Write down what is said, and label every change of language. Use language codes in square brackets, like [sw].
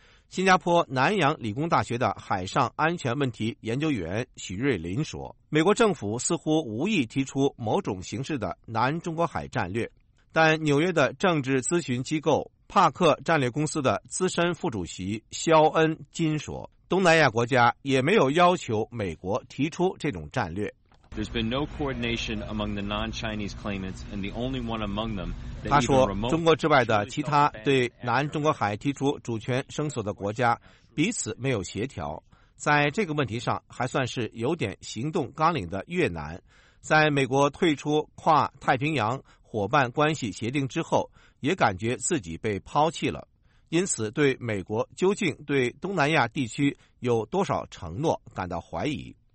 [zh] 新加坡南洋理工大学的海上安全问题研究员许瑞林说，美国政府似乎无意提出某种形式的南中国海战略，但纽约的政治咨询机构帕克战略公司的资深副主席肖恩金说，东南亚国家也没有要求美国提出这种战略。 [en] There's been no coordination among the non-Chinese claimants, and the only one among them. [zh] 他说，中国之外的其他对南中国海提出主权声索的国家彼此没有协调。在这个问题上，还算是有点行动纲领的越南，在美国退出跨太平洋伙伴关系协定之后，也感觉自己被抛弃了，因此对美国究竟对东南亚地区有多少承诺感到怀疑。